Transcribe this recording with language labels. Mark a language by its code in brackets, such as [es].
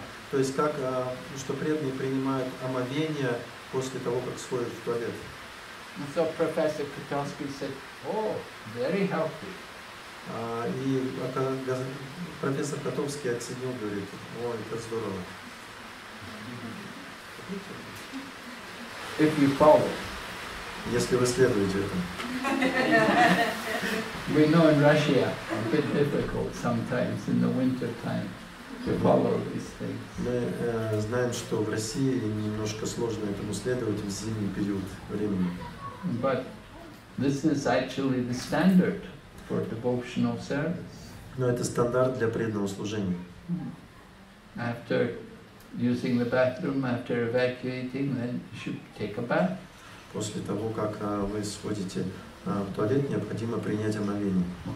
[ru] То есть как, что преданные принимают омовение после того, как сходят в туалет. [en] And so Professor Kotowski said, "Oh, very healthy." [ru] И профессор Котовский оценил, говорит, о, это здорово. [en] If you follow. [ru] Если вы следуете этому. [en] We know in Russia a bit difficult sometimes in the winter time to follow these things. [ru] Мы знаем, что в России немножко сложно этому следовать в зимний период времени. [en] But this is actually the standard for devotional service. [ru] Но это стандарт для преданного служения. [en] After using the bathroom, after evacuating, then you should take a bath. [ru] После того, как вы сходите в туалет, необходимо принять омовение.